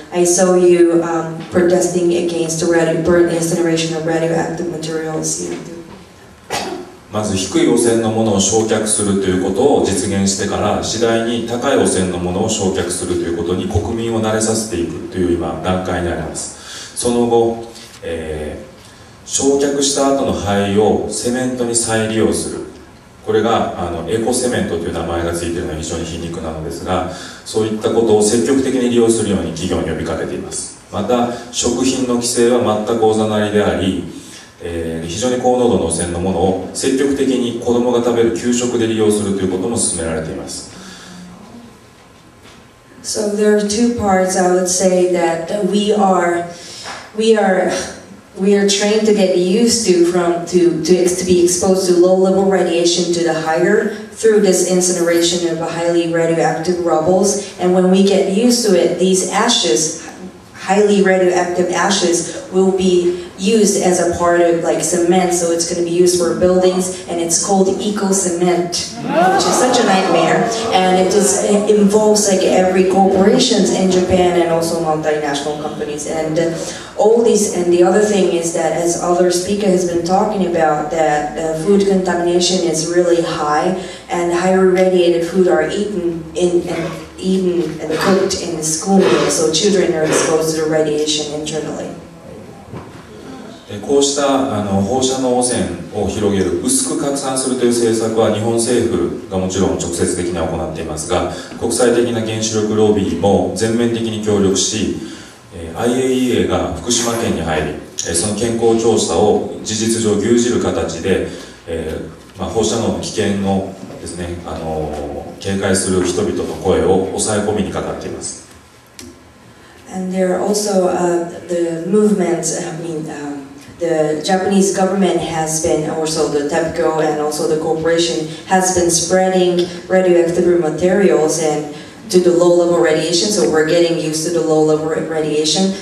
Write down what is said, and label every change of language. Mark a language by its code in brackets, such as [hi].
[en] I saw you protesting against the burnt incineration of radioactive materials. [ja] まず低い汚染のものを焼却するということを実現してから、次第に高い汚染のものを焼却するということに国民を慣れさせていくという今段階にあります。その後、焼却した後の灰をセメントに再利用する、これがエコセメントという名前がついているのが非常に皮肉なのですが、そういったことを積極的に利用するように企業に呼びかけています。また食品の規制は全くおざなりであり、非常に高濃度の汚染のものを積極的に子どもが食べる給食で利用するということも進められています。 [en] So there are two parts I would say that we are We are trained to get used to from to be exposed to low level radiation to the higher through this incineration of highly radioactive rubbles. And when we get used to it, these ashes, highly radioactive ashes, will be used as a part of like cement. So it's going to be used for buildings, and it's called eco cement, which is such a nightmare. And it just involves like every corporations in Japan and also multinational companies. And all these, and the other thing is that, as other speaker has been talking about, that food contamination is really high, and higher radiated food are eaten and cooked in the school meal, so children are exposed to the radiation internally. [ja] こうしたあの放射能汚染を広げる薄く拡散するという政策は日本政府がもちろん直接的に行っていますが、国際的な原子力ロビーも全面的に協力し、IAEA が福島県に入り、その健康調査を事実上牛耳る形で、放射能の危険をですね、警戒する人々の声を抑え込みにかかっています。 [en] And there are also the movements, the Japanese government has been, also the TEPCO and also the corporation has been spreading radioactive materials and to the low level radiation, so we're getting used to the low level radiation.